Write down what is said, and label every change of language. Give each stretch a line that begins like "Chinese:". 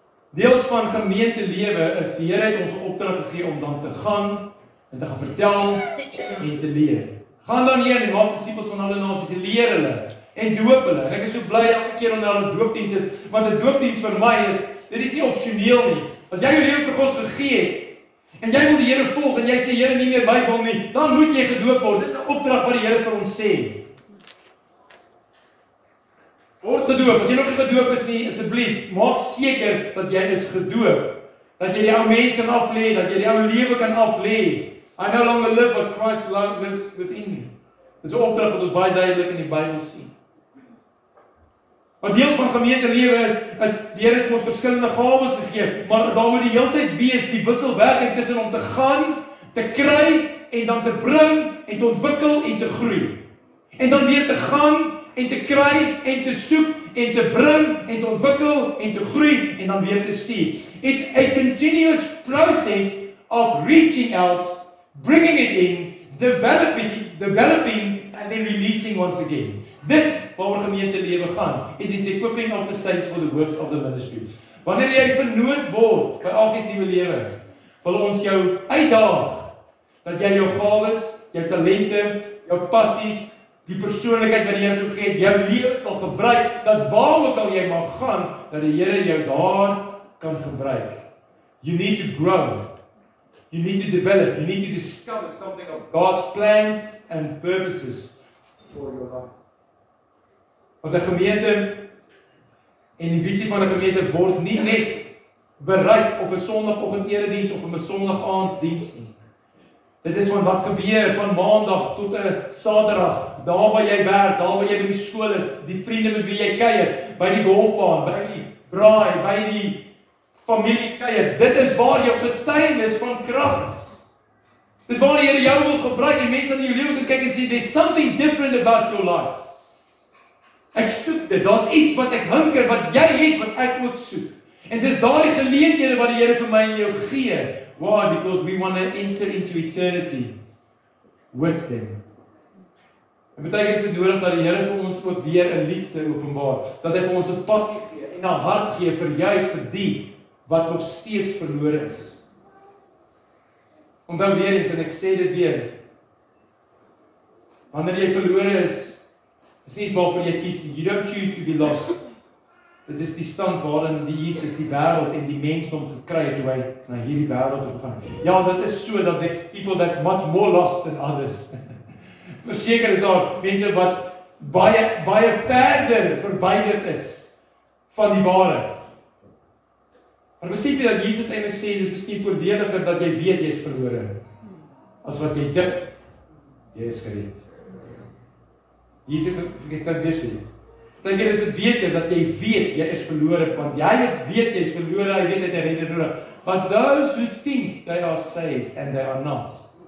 Afrikaans: Deels van gemeente lewe is die Here het ons opdrag gegee om dan te gaan en te gaan vertel en te leer. Gaan dan heen en maak disippels van alle nasies, leer hulle en doop hulle. En ek is so bly elke keer wanneer hulle doopdiens is, want 'n doopdiens vir my is, dit is nie opsioneel nie. As jy jou lewe vir God gegee het en jy wil die Here volg en jy sê Here nie meer bybel nie, dan moet jy gedoop word. Dis 'n opdrag wat die Here vir ons sê. Word gedoop. As jy nog nie gedoop is nie, asseblief, maak seker dat jy is gedoop. Dat jy die ou mens kan aflê, dat jy die ou lewe kan aflê.
English: I no longer live, but Christ lives within me.
Afrikaans: Dis 'n opdrag wat ons baie duidelik in die Bybel sien. Wat deel van gemeente lewe is, is die Here het ons verskillende gawes gegee, maar daar moet die heeltyd wees die wisselwerking tussen om te gaan, te kry en dan te bring en te ontwikkel en te groei. En dan weer te gaan en te kry en te soek en te bring en te ontwikkel en te groei en dan weer te stuur.
English: It's a continuous process of reaching out, bringing it in, developing and then releasing once again.
Afrikaans: Dis waar ons gemeente lewe gaan.
English: It is the equipping of the saints for the works of the ministry.
Afrikaans: Wanneer jy vernoot word by Afies Nuwe Lewe, wil ons jou uitdaag dat jy jou gawes, jou talente, jou passies, die persoonlikheid wat die Here jou gee, jou lewe sal gebruik dat waar ook al jy mag gaan, dat die Here jou daar kan gebruik.
English: You need to grow. You need to develop, you need to discover something of God's plans and purposes for your life.
Afrikaans: Want die gemeente en die visie van die gemeente word nie net bereik op 'n sonoggend erediens of 'n sonoggend diens nie. Dit is van wat gebeur van maandag tot 'n saterdag, daar waar jy werk, daar waar jy by die skool is, die vriende met wie jy kuier, by die golfbaan, by die braai, by die familie kuier. Dit is waar jou getuienis van krag is. Dis waar die Here jou wil gebruik en mense in jou lewe kan kyk en sê
English: there's something different about your life.
Afrikaans: Ek soek dit, daar's iets wat ek hunker, wat jy het, wat ek ook soek. En dis daardie geleenthede wat die Here vir my en jou gee.
English: Why? Because we want to enter into eternity with them.
Afrikaans: En baie keer is dit nodig dat die Here vir ons ook weer 'n liefde openbaar, dat hy vir ons 'n passie gee en 'n hart gee vir juist vir die wat nog steeds verlore is. Onthou weer eens, en ek sê dit weer, wanneer jy verlore is, is nie iets waarvoor jy kies nie.
English: You don't choose to be lost.
Afrikaans: Dit is die stand waarin die Jesus die wêreld en die mensdom gekry het toe hy na hierdie wêreld toe gaan. Ja, dit is so dat
English: there's people that's much more lost than others.
Afrikaans: Verseker is daar mense wat baie verder verwyder is van die waarheid. Maar besef jy dat Jesus eintlik sê dis miskien voordeliger dat jy weet jy is verlore as wat jy dink jy is gered. Jesus het dit baie sê. Dink jy is dit beter dat jy weet jy is verlore, want jy weet jy is verlore, jy weet dat jy redder nodig.
English: But those who think they are saved and they are not.